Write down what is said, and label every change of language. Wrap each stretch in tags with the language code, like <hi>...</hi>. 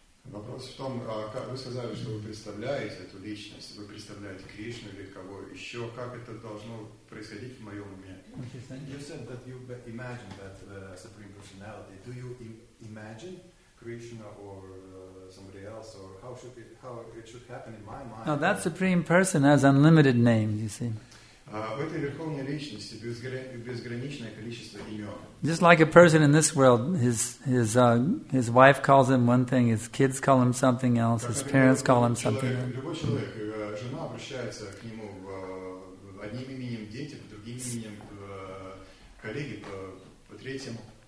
<ru>Вопрос в том, как вы сказали, что вы представляете эту личность, вы представляете Кришну или кого еще, как это должно происходить в моем уме?</ru> <en>You said that you imagine that Supreme Personality. Do you imagine Krishna or somebody else, or how it should happen in my mind? Now that Supreme Person has unlimited names, you see.</en> <ru>В этой верховной личности безграничное количество имен.</ru> <en>Just like a person in this world, his wife calls him one thing, his kids call him something else, his parents call him something else.</en> <ru>Любой человек, жена обращается к нему одним именем, дети по другим именем, коллеги по третьему.</ru>